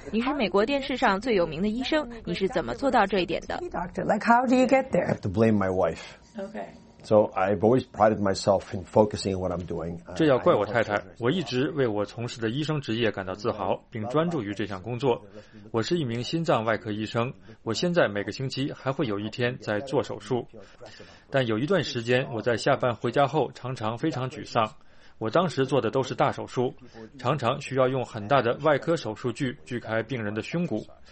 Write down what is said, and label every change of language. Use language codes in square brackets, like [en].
[zh] 你是美国电视上最有名的医生，你是怎么做到这一点的 [en] ？Doctor, like how do you get there? I have to blame my wife. Okay. So I've always prided myself in focusing on what I'm doing. [zh] 这要怪我太太，我一直为我从事的医生职业感到自豪，并专注于这项工作。我是一名心脏外科医生，我现在每个星期还会有一天在做手术。但有一段时间，我在下班回家后常常非常沮丧。我当时做的都是大手术，常常需要用很大的外科手术锯锯开病人的胸骨。